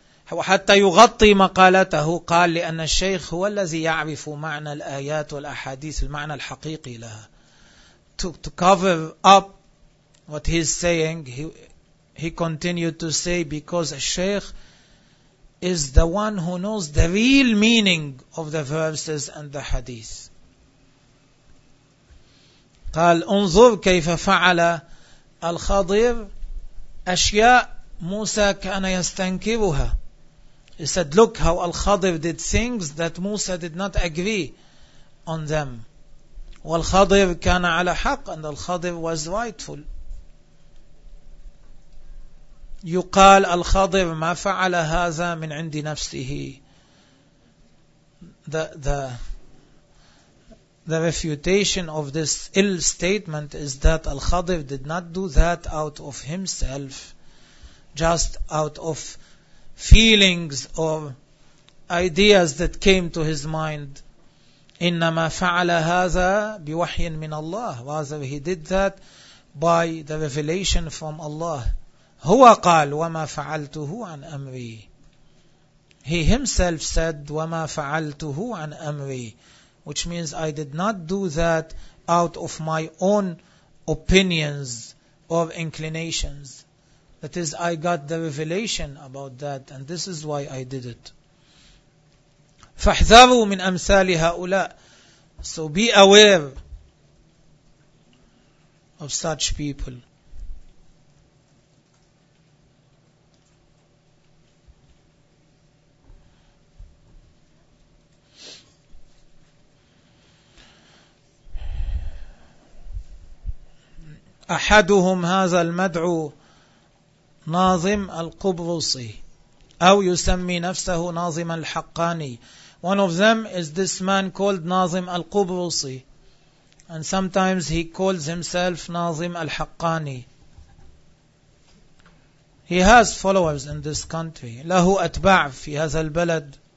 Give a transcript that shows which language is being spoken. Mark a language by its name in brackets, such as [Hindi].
[Arabic] وحتى يغطي مقالته قال لأن الشيخ هو الذي يعرف معنى الآيات والأحاديث المعنى الحقيقي لها. [English] To cover up what he's saying, he continued to say, because a sheikh is the one who knows the real meaning of the verses and the hadith. [Arabic] قال انظر كيف فعل الخضير أشياء موسى كان يستنكرها. [English] He said, look how al-Khadir did things that Musa did not agree on them. [Arabic] وَالْخَضِرْ كَانَ عَلَى حَقٍ [English] and al-Khadir was rightful. [Arabic] يقال al-Khadir ما فعل هذا من عند نفسه. [English] The refutation of this ill statement is that al-Khadir did not do that out of himself, just out of feelings or ideas that came to his mind. [Arabic] إنما فعل هذا بوحي من الله. [English] Rather, he did that by the revelation from Allah. [Arabic] هو قال وما فعلته عن أمري. [English] He himself said [Arabic] وما فعلته عن أمري, [English] which means I did not do that out of my own opinions or inclinations. That is, I got the revelation about that, and this is why I did it. [Arabic] فاحذروا من أمثال هؤلاء. [English] So be aware of such people. [Arabic] أحدهم هذا المدعو ناظم القبرصي أو يسمي نفسه ناظم الحقاني. [English] One of them is this man called Nazim al-Qubrusi. And sometimes he calls himself Nazim al-Haqqani. He has followers in this country. [Arabic] Lahu atba' fi hadha al-balad.